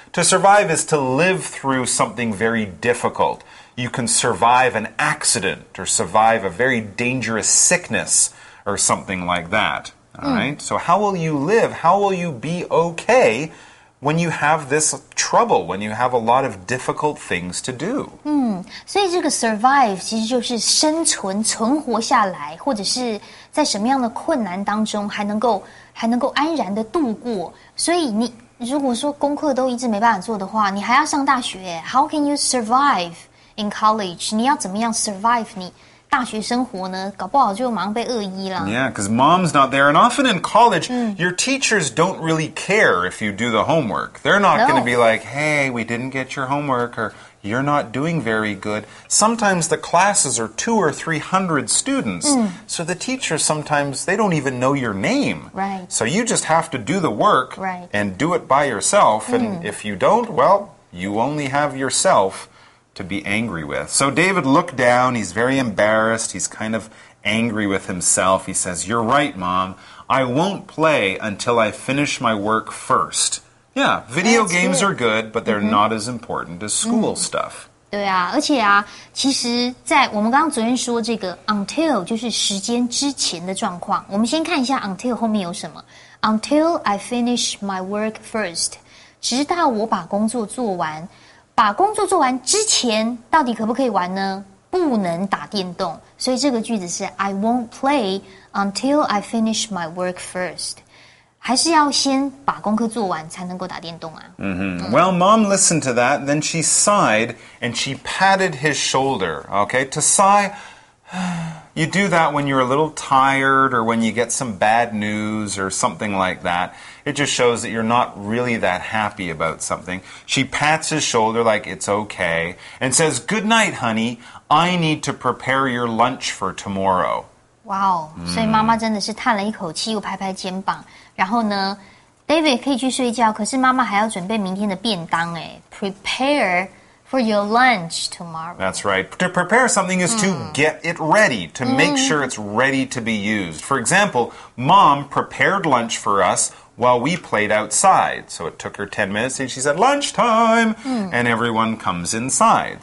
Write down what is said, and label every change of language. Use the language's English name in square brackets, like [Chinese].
[English] To survive is to live through something very difficult. You can survive an accident or survive a very dangerous sickness or something like that. All right. So how will you live? How will you be okay? When you have this trouble, when you have a lot of difficult things to do. [Chinese] 所以这个 survive 其实就是生存、存活下来，或者是在什么样的困难当中还能够安然的度过。所以你如果说功课都一直没办法做的话，你还要上大学。 [English] How can you survive in college? [Chinese] 你要怎么样 survive 你大学生活呢？搞不好就忙被恶意了。 [English] Yeah, because Mom's not there. And often in college, your teachers don't really care if you do the homework. They're not going to be like, hey, we didn't get your homework, or you're not doing very good. Sometimes the classes are 200 or 300 students. So the teachers sometimes, they don't even know your name. Right. So you just have to do the work and do it by yourself. And if you don't, well, you only have yourself to be angry with. So David looked down. He's very embarrassed. He's kind of angry with himself. He says, you're right, Mom. I won't play until I finish my work first. Yeah, video games are good, but they're not as important as school stuff. [Chinese] 对啊，而且啊，其实在我们刚刚昨天说这个 until 就是时间之前的状况。我们先看一下 until 后面有什么。 [English] Until I finish my work first. [Chinese] 直到我把工作做完。把工作做完之前到底可不可以玩呢？不能打电动。所以这个句子是 [English] I won't play until I finish my work first. [Chinese] 还是要先把功课做完才能够打电动啊。 [English] Well, Mom listened to that, then she sighed and she patted his shoulder. Okay, to sigh, you do that when you're a little tired or when you get some bad news or something like that. It just shows that you're not really that happy about something. She pats his shoulder like it's okay and says, good night, honey. I need to prepare your lunch for tomorrow. [Chinese] Wow, 所以妈妈真的是叹了一口气又拍拍肩膀。然后呢 ,David 可以去睡觉可是妈妈还要准备明天的便当诶。 [English] Prepare for your lunch tomorrow. That's right. To prepare something is to get it ready, to make sure it's ready to be used. For example, Mom prepared lunch for us,while we played outside. So it took her 10 minutes and she said, lunchtime! And everyone comes inside.